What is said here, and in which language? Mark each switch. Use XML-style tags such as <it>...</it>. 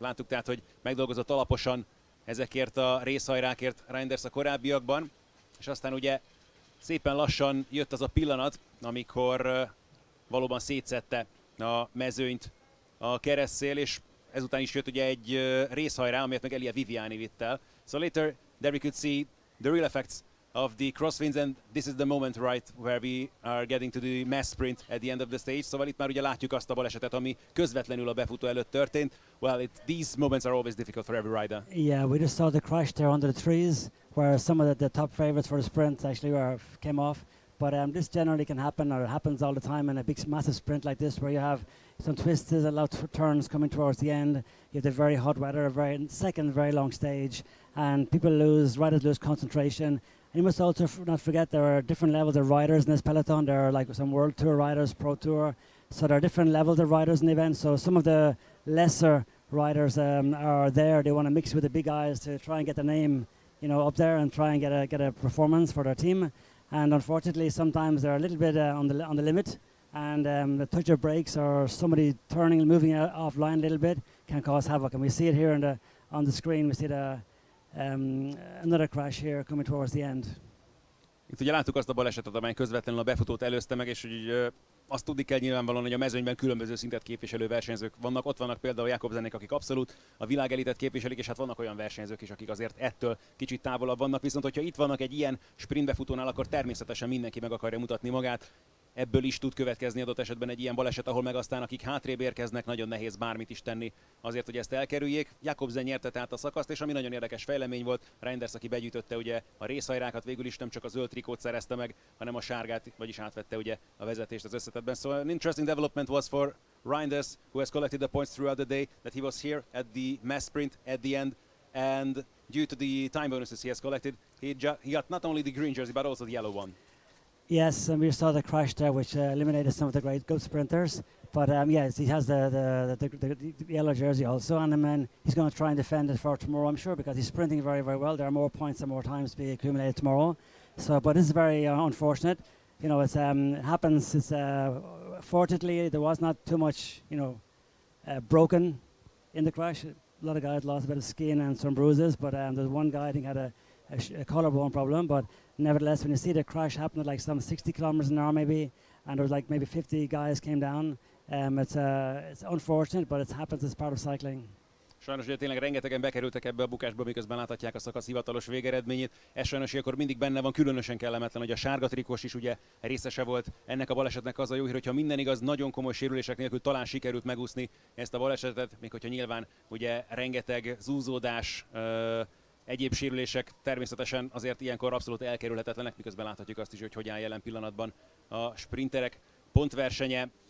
<hu>Láttuk tehát, hogy megdolgozott alaposan ezekért a részhajrákért Reinders a korábbiakban, és aztán ugye szépen lassan jött az a pillanat, amikor valóban szétszette a mezőnyt a keresztszél, és ezután is jött ugye egy részhajrá, amelyet meg Elia Viviani vitt el.</hu> <en>So later there we could see the real effects of the crosswinds, and this is the moment right where we are getting to the mass sprint at the end of the stage.</en> <hu>Szóval itt már ugye látjuk azt a balesetet, ami közvetlenül a befutó előtt történt.</hu> <en>Well, these moments are always difficult for every rider. Yeah, we just saw the crash there under the trees, where some of the top favorites for the sprint actually came off. But this generally can happen, or it happens all the time in a big massive sprint like this, where you have some twists, a lot of turns coming towards the end. You have the very hot weather, a very second, very long stage, and people riders lose concentration. And you must also not forget there are different levels of riders in this peloton. There are like some World Tour riders, Pro Tour. So there are different levels of riders in the event. So some of the lesser riders are there. They want to mix with the big guys to try and get the name, you know, up there and try and get a performance for their team. And unfortunately, sometimes they're a little bit on the limit, and the touch of brakes or somebody turning, moving offline a little bit can cause havoc. And we see it here on the screen. We see another crash here coming towards the end.</en> <hu>Itt ugye láttuk azt a balesetet, amely közvetlenül a befutót előzte meg, és hogy azt tudni kell nyilvánvalóan, hogy a mezőnyben különböző szintet képviselő versenyzők vannak. Ott vannak például Jakobsenék, akik abszolút a világ elitet képviselik, és hát vannak olyan versenyzők is, akik azért ettől kicsit távolabb vannak. Viszont hogyha itt vannak egy ilyen sprintbefutónál, akkor természetesen mindenki meg akarja mutatni magát. Ebből is tud következni adott esetben egy ilyen baleset, ahol meg aztán, akik hátrébb érkeznek, nagyon nehéz bármit is tenni azért, hogy ezt elkerüljék. Jakobsen nyerte tehát a szakaszt, és ami nagyon érdekes fejlemény volt, Reinders, aki begyűjtötte ugye a részhajrákat, végül is nem csak a zöld trikót szerezte meg, hanem a sárgát, vagyis átvette ugye a vezetést az összetetben.</hu> <en>So an interesting development was for Reinders, who has collected the points throughout the day, that he was here at the mass sprint at the end, and due to the time bonuses he has collected, he got not only the green jersey, but also the yellow one. Yes, and we saw the crash there, which eliminated some of the great good sprinters. But yes, he has the yellow jersey also, and then he's going to try and defend it for tomorrow, I'm sure, because he's sprinting very, very well. There are more points and more times to be accumulated tomorrow. So, but this is very unfortunate. You know, it's happens. It's fortunately there was not too much, you know, broken in the crash. A lot of guys lost a bit of skin and some bruises, but there's one guy I think had a collarbone problem. But nevertheless, when you see the crash happen at like some 60 kilometers an hour maybe, and there was like maybe 50 guys came down. It's unfortunate, but it happens as part of cycling.</en> <hu>Sajnos, hogy tényleg rengetegen bekerültek ebbe a bukásba, miközben láthatják a szakasz hivatalos végeredményét. Ez sajnos, hogy akkor mindig benne van, különösen kellemetlen, hogy a sárga trikós is ugye részese volt ennek a balesetnek. Az a jó hír, hogyha minden igaz, nagyon komoly sérülések nélkül talán sikerült megúszni ezt a balesetet, még hogyha nyilván ugye rengeteg zúzódás, egyéb sérülések természetesen azért ilyenkor abszolút elkerülhetetlenek, miközben láthatjuk azt is, hogy hogyan áll jelen pillanatban a sprinterek pontversenye.</hu>